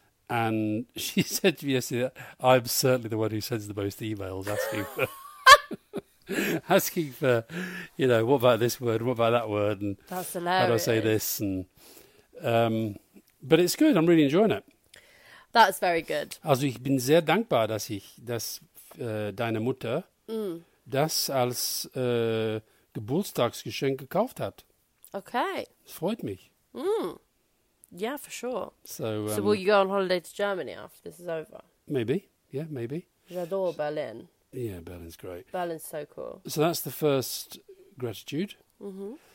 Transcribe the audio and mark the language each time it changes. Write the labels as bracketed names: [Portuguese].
[English] And she said to me yesterday, I'm certainly the one who sends the most emails asking for... asking for, you know, what about this word, what about that word, and that's hilarious. How do I say this? And But it's good. I'm really enjoying it. That's very good. [German] Also ich bin sehr dankbar, dass ich das deine Mutter das als Geburtstagsgeschenk gekauft hat. [English] Okay. [German] Es freut mich. [English] Mm. Yeah, for sure. So will you go on holiday to Germany after this is over? Maybe. Yeah, maybe. [German] Ich [English] adore Berlin. Yeah, Berlin's great. Berlin's so cool. So that's the first gratitude. Mm-hmm.